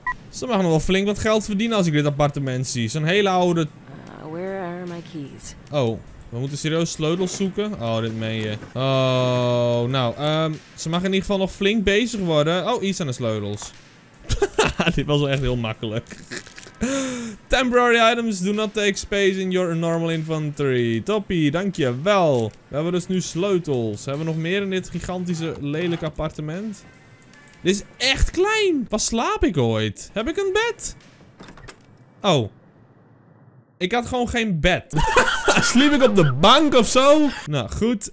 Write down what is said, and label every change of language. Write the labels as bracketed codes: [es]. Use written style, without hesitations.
[nl] Ze mag nog wel flink wat geld verdienen als ik dit appartement zie. Zo'n hele oude... [en] Where are my keys? Oh. [nl] We moeten serieus sleutels zoeken. Oh, dit meen je. Oh, nou. Ze mag in ieder geval nog flink bezig worden. Oh, hier zijn de sleutels. Dit was wel echt heel makkelijk. [en] Temporary items do not take space in your normal inventory. [nl] Toppie, dankjewel. We hebben dus nu sleutels. Hebben we nog meer in dit gigantische, lelijke appartement? Dit is echt klein. Waar slaap ik ooit? Heb ik een bed? Oh. Ik had gewoon geen bed. Sliep ik op de bank of zo? Nou, goed.